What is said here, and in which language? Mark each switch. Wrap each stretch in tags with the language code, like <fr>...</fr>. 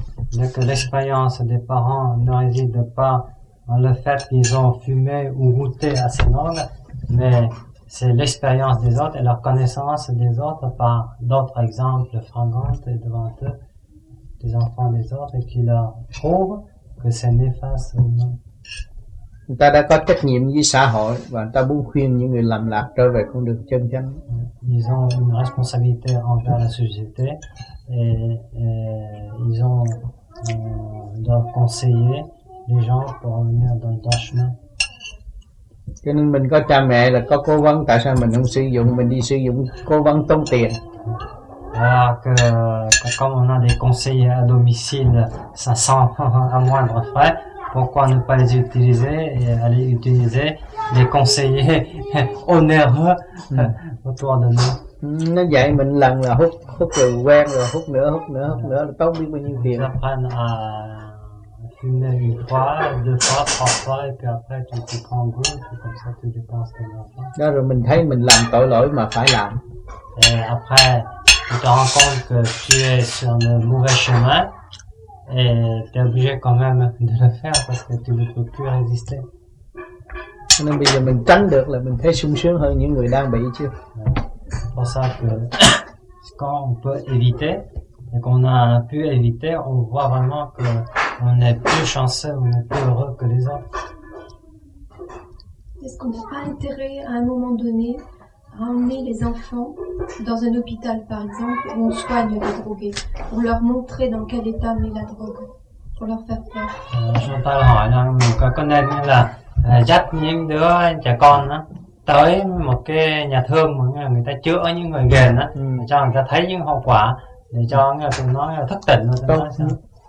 <fr>Donc l'expérience des parents ne réside pas dans le fait qu'ils ont fumé ou goûté à ces drogues, mais c'est l'expérience des autres et leur connaissance des autres par d'autres exemples fréquents devant eux. Des enfants des autres et qui leur prouvent que c'est néfaste ou non.</fr> <vi>Người ta đã có trách nhiệm với xã hội và người ta muốn khuyên những người lầm lạc trở về con đường chân chánh.</vi> <fr>Ils ont une responsabilité envers la société et ils ont doivent conseiller les gens pour revenir dans le droit chemin.</fr> <vi>Cho nên mình có cha mẹ là có cố vấn, tại sao mình không sử dụng, mình đi sử dụng cố vấn tốn tiền.</vi> <fr>Alors que comme on a des conseillers à domicile, ça sent à moindre frais, pourquoi ne pas les utiliser et aller utiliser les conseillers onéreux autour de nous.</fr> <vi>Nó dạy mình lần là hút, hút rồi quen rồi hút nữa, hút nữa, hút nữa, là tốn biết bao nhiêu tiền.</vi> <fr>Ils apprennent à fumer une fois, deux fois, trois fois, et puis après tu prends goût, puis comme ça tu dépenses ton argent.</fr> <vi>Đó rồi mình thấy mình làm tội lỗi mà phải làm.</vi> <fr>Et après, tu te rends compte que tu es sur le mauvais chemin et tu es obligé quand même de le faire parce que tu ne peux plus résister.</fr> <vi>Nên bây giờ mình tránh được là mình thấy sung sướng hơn những người đang bị chứ.</vi> <fr>C'est pour ça que quand on peut éviter et qu'on a pu éviter, on voit vraiment qu'on est plus chanceux, on est plus heureux que les autres. Est-ce qu'on n'a pas intérêt à un moment donné ramener les enfants dans un hôpital, par exemple, où on soigne les drogués, pour leur montrer dans quel état met la drogue, pour leur faire peur.</fr> <vi>Chúng ta là hỏi là có con em là dắt những đứa trẻ con đó tới một cái nhà thương mà người ta chữa những người nghiện đó, cho người ta thấy những hậu quả để cho người ta nói là thức tỉnh rồi.</vi>